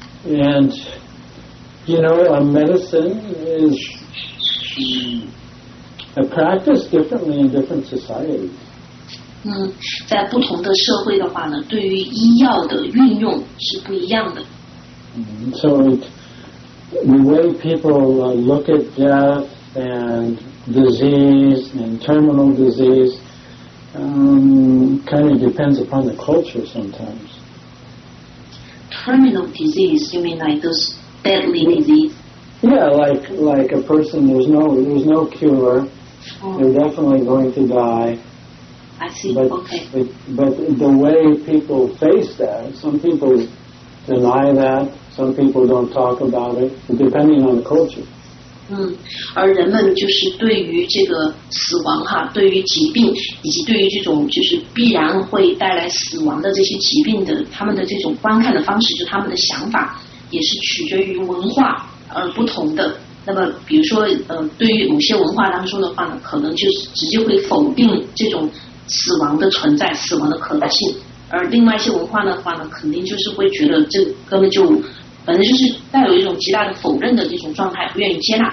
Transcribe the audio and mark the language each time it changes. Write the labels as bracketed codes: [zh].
[en] And you know, a medicine is a practice differently in different societies. 在不同的社会的话呢，对于医药的运用是不一样的。 So the way people look at death and disease and terminal disease. Kind of depends upon the culture sometimes. Terminal disease, you mean like those deadly disease? Yeah, like a person, there's no cure. They're definitely going to die. I see, but the way people face that, some people deny that, some people don't talk about it, depending on the culture. [zh] 而人们就是对于这个死亡哈，对于疾病以及对于这种就是必然会带来死亡的这些疾病的，他们的这种观看的方式，就他们的想法也是取决于文化而不同的。那么比如说对于某些文化当中的话呢，可能就是直接会否定这种死亡的存在，死亡的可能性，而另外一些文化的话呢，肯定就是会觉得这根本就反正就是带有一种极大的否认的这种状态，不愿意接纳。